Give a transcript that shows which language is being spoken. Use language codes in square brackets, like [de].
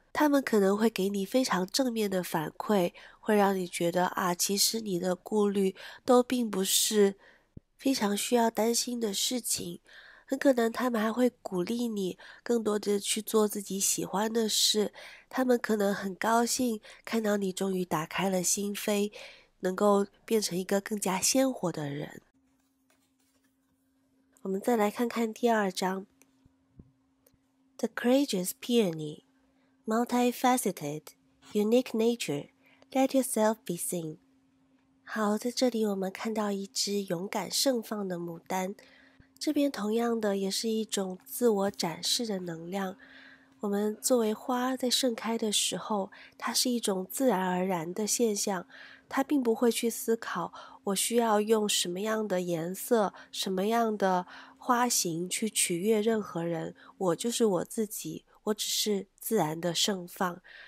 [zh] 他们可能会给你非常正面的反馈，会让你觉得啊，其实你的顾虑都并不是非常需要担心的事情。很可能他们还会鼓励你更多的去做自己喜欢的事，他们可能很高兴看到你终于打开了心扉，能够变成一个更加鲜活的人。我们再来看看第二章 [en] The Courageous Peony Multifaceted Unique Nature Let Yourself Be Seen。 [zh] 好，在这里我们看到一只勇敢盛放的牡丹，这边同样的也是一种自我展示的能量。我们作为花在盛开的时候，它是一种自然而然的现象，它并不会去思考我需要用什么样的颜色、什么样的花型去取悦任何人，我就是我自己，我只是自然的盛放。